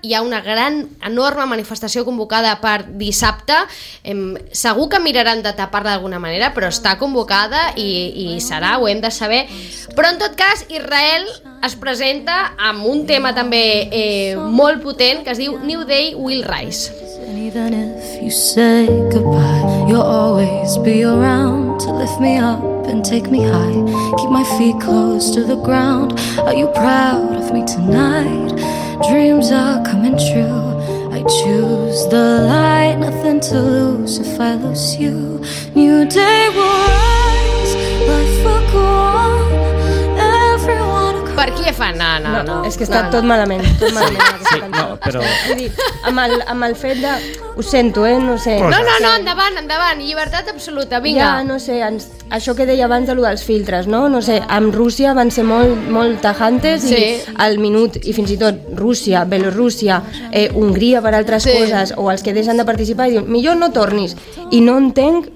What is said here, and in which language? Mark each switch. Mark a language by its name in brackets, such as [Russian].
[Catalan] Hi ha una gran, enorme manifestació convocada per dissabte. Segur que mirarà han de tapar d'alguna manera, però està convocada i serà, ho hem de saber. Però en tot cas, Israel es presenta amb un tema també molt potent, que es diu New Day Will Rise. [English] And even if you say goodbye, you'll always be around to lift me up and take me high, keep my feet close to the ground. Are you proud of me tonight? Dreams are coming true. I choose the light, nothing to lose if I lose you. New day will rise, life will go on, everyone will cry. [Catalan] Per qui fa? No. És que està tot malament. Tot malament. Sí, no, però... amb el fet de... Ho sento, no sé. No, endavant, llibertat absoluta, vinga. Ja, no sé, això que deia abans de lo dels filtres, no sé, amb Rússia van ser molt, molt tajantes, sí. I al minut, i fins i tot Rússia, Belorússia, Hungria per altres coses, o els que deixen de participar, i diuen, millor no tornis, i no entenc